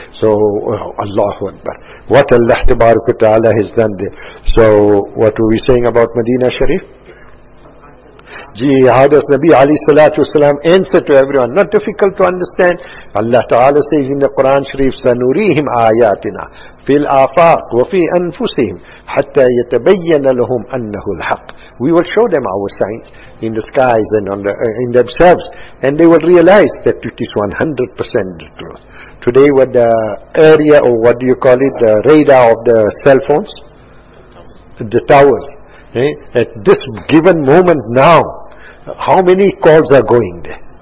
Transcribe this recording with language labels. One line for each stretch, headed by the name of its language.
English: So, Allahu Akbar. What Allah Ta'ala has done there. So, what were we saying about Medina Sharif? How does Nabi Ali Salatu Wasalam answer to everyone? Not difficult to understand. Allah Ta'ala says in the Quran Sharif,
Arabic: سَنُرِيهِمْ آيَاتِنَا فِي الْآفَاقِ وَفِي أَنفُسِهِمْ حَتَّى يَتَبَيَّنَ لَهُمْ أَنَّهُ الْحَقِّ.
English: We will show them our signs in the skies and on the, in themselves, and they will realize that it is 100% the truth. Today with the area, or what do you call it, the radar of the cell phones, the towers, at this given moment now, how many calls are going there?